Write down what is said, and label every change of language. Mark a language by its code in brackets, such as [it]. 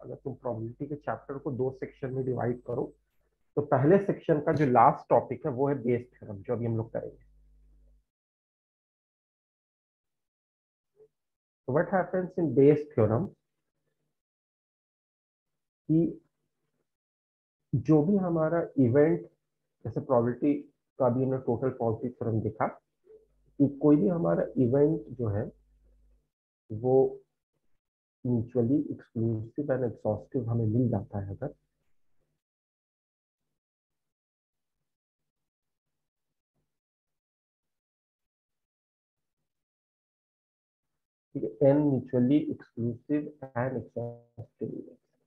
[hi] अगर तुम प्रोबेबिलिटी के चैप्टर को दो सेक्शन में डिवाइड करो तो पहले सेक्शन का जो लास्ट टॉपिक है वो है बेस थ्योरम, जो अभी हम लोग करेंगे। [en] So what happens in Bayes' theorem? [hi] कि जो भी हमारा इवेंट, जैसे प्रोबेबिलिटी का भी हमने टोटल प्रोबेबिलिटी थ्योरम देखा कि कोई भी हमारा इवेंट जो है वो म्यूचुअली एक्सक्लूसिव एंड एग्जॉस्टिव हमें मिल जाता है अगर, [en] n mutually exclusive and exhaustive events.